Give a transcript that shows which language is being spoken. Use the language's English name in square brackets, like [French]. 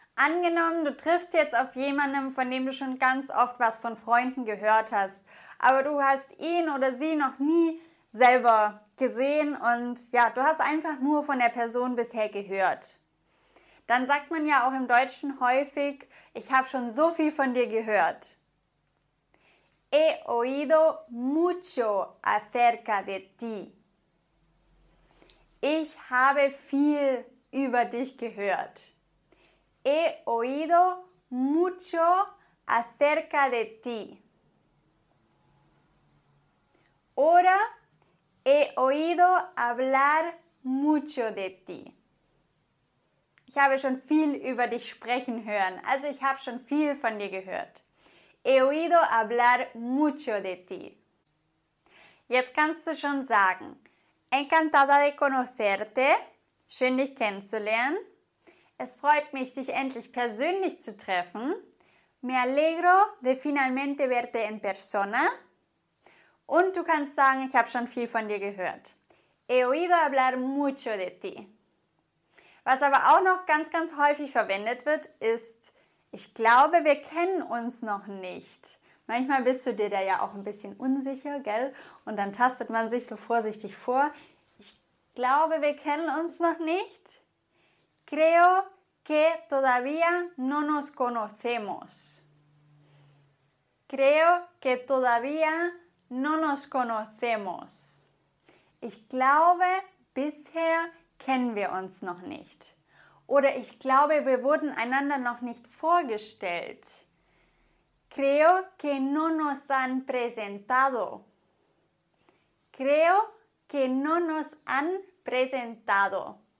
[German] Angenommen, du triffst jetzt auf jemanden, von dem du schon ganz oft was von Freunden gehört hast, aber du hast ihn oder sie noch nie selber gesehen und ja, du hast einfach nur von der Person bisher gehört. Dann sagt man ja auch im Deutschen häufig, ich habe schon so viel von dir gehört. [Spanish] He oído mucho acerca de ti. [German] Ich habe viel über dich gehört. [Spanish] He oído mucho acerca de ti. Ahora he oído hablar mucho de ti. [German] Ich habe schon viel über dich sprechen hören. Also ich habe schon viel von dir gehört. [Spanish] He oído hablar mucho de ti. [German] Jetzt kannst du schon sagen, [Spanish] encantada de conocerte, [German] schön dich kennenzulernen. Es freut mich, dich endlich persönlich zu treffen. [Spanish] Me alegro de finalmente verte en persona. [German] Und du kannst sagen, ich habe schon viel von dir gehört. [Spanish] He oído hablar mucho de ti. [German] Was aber auch noch ganz, ganz häufig verwendet wird, ist, ich glaube, wir kennen uns noch nicht. Manchmal bist du dir da ja auch ein bisschen unsicher, gell? Und dann tastet man sich so vorsichtig vor. Ich glaube, wir kennen uns noch nicht. [Spanish] Creo que todavía no nos conocemos. Creo que todavía no nos conocemos. [German] Ich glaube, bisher kennen wir uns noch nicht. Oder ich glaube, wir wurden einander noch nicht vorgestellt. [Spanish] Creo que no nos han presentado. Creo que no nos han presentado.